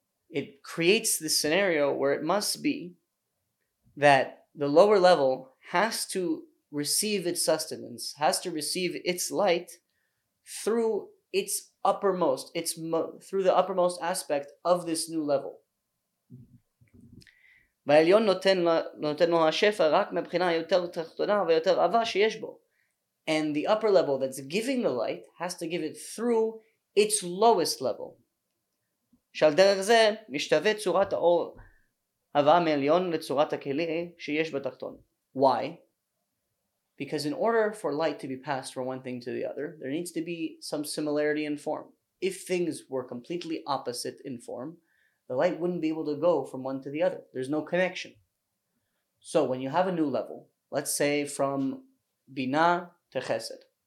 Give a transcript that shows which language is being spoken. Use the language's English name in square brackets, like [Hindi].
[English] It creates this scenario where it must be that the lower level has to receive its sustenance, has to receive its light through its uppermost, through the uppermost aspect of this new level. [Hebrew] והעליון נותן לו השפר רק מבחינה יותר תחתונה ויותר עבה שיש בו. [English] And the upper level that's giving the light has to give it through its lowest level. [Hebrew] שעל דרך זה משתווה צורת האור הבאה מעליון לצורת הכלי שיש בתחתון. [English] Why? Because in order for light to be passed from one thing to the other, there needs to be some similarity in form. If things were completely opposite in form, the light wouldn't be able to go from one to the other. There's no connection. So when you have a new level, let's say from Bina to Chesed.